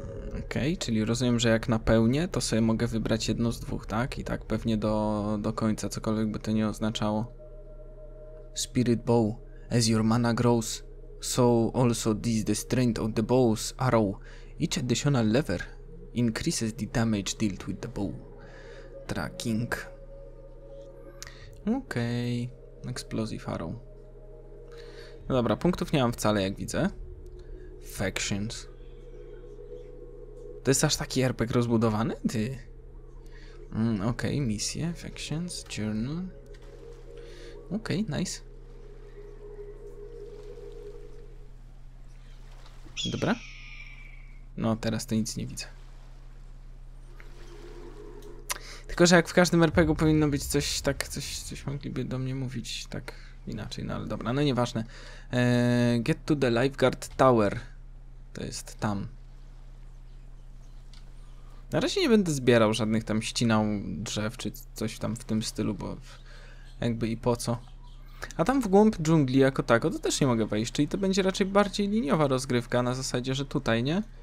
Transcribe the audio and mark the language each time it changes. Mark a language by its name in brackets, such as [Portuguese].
[Polish] Okej, okay, czyli rozumiem, że jak napełnię, to sobie mogę wybrać jedno z dwóch, tak? I tak pewnie do końca, cokolwiek by to nie oznaczało. [English] Spirit bow. As your mana grows, so also this the strength of the bow's arrow. Each additional lever increases the damage dealt with the bow. Tracking. Okej. Okay. Explosive arrow. [Polish] No dobra, punktów nie mam wcale, jak widzę. Factions. To jest aż taki RPG rozbudowany? Ty. Okej, okay, misje, factions, journal. Okej, okay, nice. Dobra. No, teraz to nic nie widzę. Tylko, że jak w każdym RPG-u powinno być coś tak, coś mogliby do mnie mówić tak inaczej, no ale dobra, no nieważne. [English] Get to the lifeguard tower. [Polish] To jest tam. Na razie nie będę zbierał żadnych tam, ścinał drzew czy coś tam w tym stylu, bo jakby i po co. A tam w głąb dżungli jako tako to też nie mogę wejść, czyli to będzie raczej bardziej liniowa rozgrywka na zasadzie, że tutaj, nie?